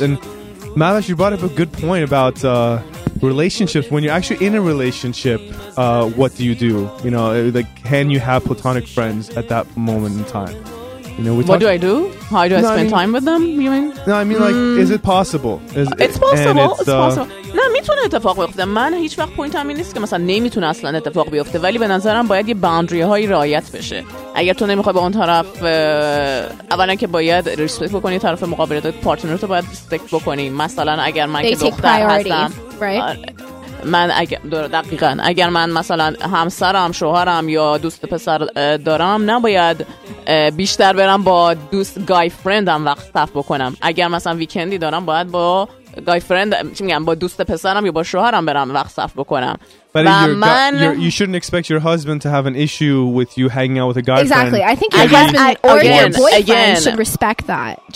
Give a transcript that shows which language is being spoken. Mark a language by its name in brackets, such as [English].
[English] And Mavesh, you brought up a good point about relationships. When you're actually in a relationship, what do you do? You know, like, can you have platonic friends at that moment in time? You know, what do I do? How do I spend time with them, you mean? No, I mean, like, is it possible? It's possible. It's possible. [Persian] نه میتونه اتفاق بیفته. من هیچ وقت پوینت همین نیست که مثلا نمیتونه اصلا اتفاق بیفته. ولی به نظرم باید یه باوندری های رعایت بشه. اگر تو نمیخوای با اون طرف، اولا که باید ریسپکت بکنی طرف مقابل، پارتنر تو باید ریسپکت بکنی. مثلا اگر من که دختر هستم، من اگر دقیقاً اگر من مثلا همسرم، شوهرم یا دوست پسر دارم، نباید بیشتر برم با دوست گای فرندم وقت صرف بکنم. اگر مثلا ویکندی دارم، باید با گای فرند، چی میگم، با دوست پسرم یا با شوهرم برم وقت صرف بکنم. [English] But you shouldn't expect your husband to have an issue with you hanging out with a guy. Exactly. I think your husband or your boyfriend should respect that.